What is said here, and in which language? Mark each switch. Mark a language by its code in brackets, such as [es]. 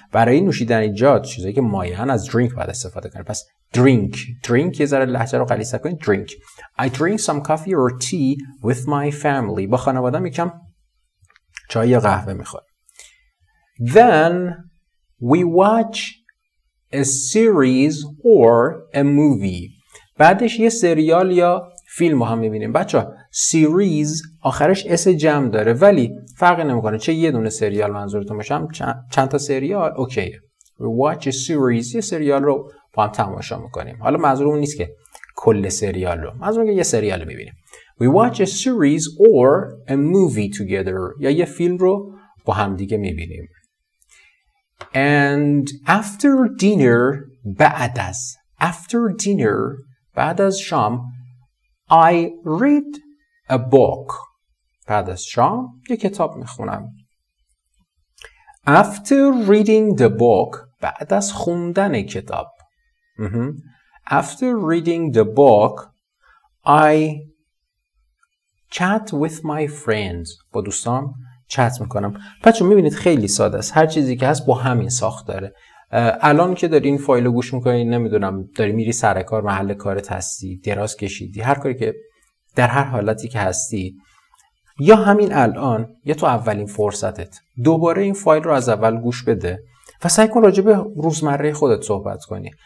[fa] برای نوشیدن جات چیزایی که مایعن از drink باید استفاده کنید. پس drink یه ذره لحجه رو غلیظ کنید. [en] Drink. I drink some coffee or tea with my family. [fa] با خانواده‌ام یکم چای یا قهوه میخورم. [en] Then we watch a series or a movie. [fa] بعدش یه سریال یا فیلم رو هم میبینیم. بچه سریز آخرش اس جمع داره، ولی فرق نمیکنه چه یه دونه سریال منظورتون باشم، چند تا سریال. اوکی [en] we watch a series، [fa] یه سریال رو با هم تماشا میکنیم. حالا منظورمون نیست که کل سریال رو، منظورمون که یه سریال رو میبینیم. [en] we watch a series or a movie together یا [fa] یه فیلم رو با هم دیگه میبینیم. [en] And after dinner, [fa] بعد از [en] after dinner, [fa] بعد از شام, [en] I read a book. [fa] بعد از شام یک کتاب میخونم. [en] After reading the book, [fa] بعد از خوندن کتاب. [en] After reading the book, I chat with my friends. [fa] با دوستام چت میکنم. بچه میبینید خیلی ساده است. هر چیزی که هست با همین ساخت داره. الان که داری این فایل رو گوش میکنی، نمیدونم داری میری سر کار، محل کارت هستی، دراز کشیدی، هر کاری که در هر حالتی که هستی، یا همین الان یا تو اولین فرصتت دوباره این فایل رو از اول گوش بده و سعی کن راجع به روزمره خودت صحبت کنی.